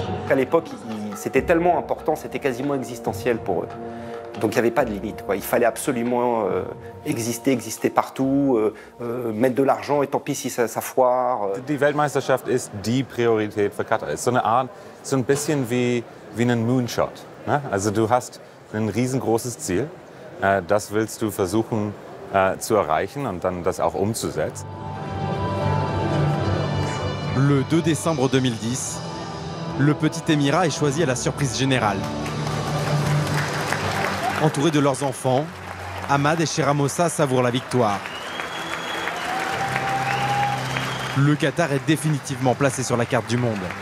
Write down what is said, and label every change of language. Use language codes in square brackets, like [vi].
[fr] À l'époque, c'était tellement important, c'était quasiment existentiel pour eux. Donc il n'y avait pas de limite, quoi. Il fallait absolument exister partout, mettre de l'argent et tant pis si ça foire. [de] Die Weltmeisterschaft ist die Priorität für Katar. Es ist so eine Art, so ein bisschen wie ein Moonshot, ne? Also du hast ein riesengroßes Ziel, das willst du versuchen zu erreichen und dann das auch umzusetzen. [fr] Le 2 décembre 2010, le petit Émirat est choisi à la surprise générale. Entourés de leurs enfants, Ahmad et Shera Mossa savourent la victoire. Le Qatar est définitivement placé sur la carte du monde.